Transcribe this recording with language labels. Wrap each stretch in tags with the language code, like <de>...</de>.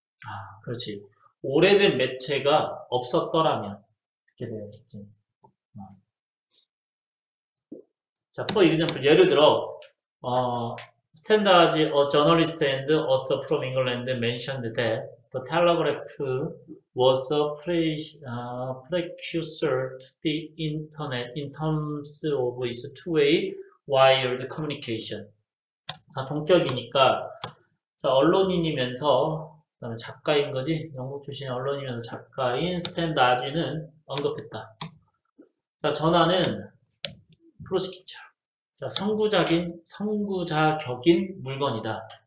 <ko>아, 그렇지. 오래된 매체가 없었더라면 이렇게 되겠지.</ko> <en>자, for example,</en> <ko>예를 들어,</ko> <en>stand as a journalist and author from England mentioned that the telegraph was a precursor to the internet in terms of its two-way wired communication.</en> <ko>자, 동격이니까, 자, 언론인이면서 그다음에 작가인 거지? 영국 출신 언론인이면서 작가인 스탠 나지는 언급했다. 자, 전화는 프로스키처. 자, 선구자격인 물건이다.</ko>